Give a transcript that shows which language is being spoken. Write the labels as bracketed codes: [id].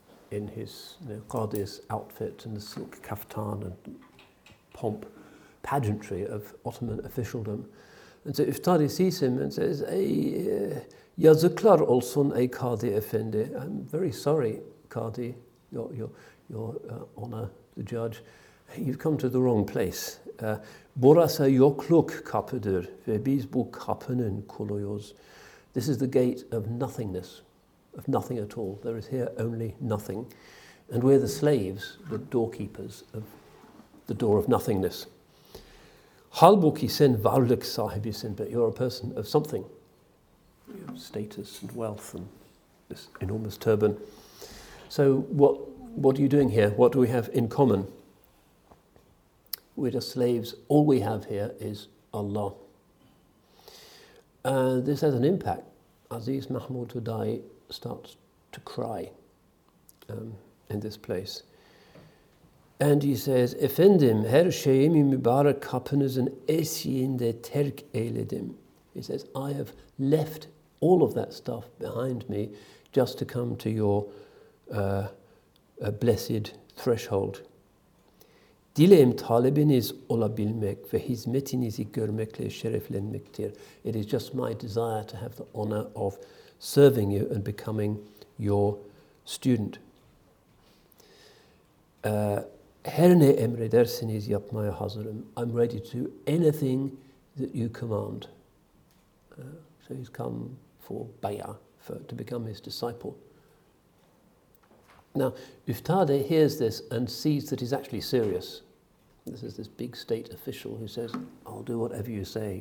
[en] In his Qadi's outfit and the silk kaftan and pomp, pageantry of Ottoman officialdom. And so Uftadeh sees him and says, [tr] "Ey, yazıklar olsun ey Qadi Efendi. [en] I'm very sorry, Qadi, your honor, the judge. You've come to the wrong place. [tr] Burası yokluk kapıdır ve biz bu kapının kuluyuz. [en] This is the gate of nothingness. Of nothing at all. There is here only nothing. And we're the slaves, the doorkeepers of the door of nothingness. [tr] Halbuki sen varlık sahibisin, [en] but you're a person of something. You have status and wealth and this enormous turban. So what are you doing here? What do we have in common? We're just slaves. All we have here is Allah." This has an impact. Aziz Mahmud Hudayi starts to cry in this place. And he says, [tr] "Efendim, her şeyimi mübarek kapınızın esiğinde terk eyledim." [en] He says, "I have left all of that stuff behind me just to come to your blessed threshold. [tr] Dileğim talebiniz olabilmek ve hizmetinizi görmekle şereflenmektir. [en] It is just my desire to have the honor of serving you and becoming your student. [tr] Her ne emredersiniz yapmaya hazırım. [en] I'm ready to do anything that you command. So he's come for bayah, to become his disciple. Now, Üftade hears this and sees that he's actually serious. This is this big state official who says, I'll do whatever you say.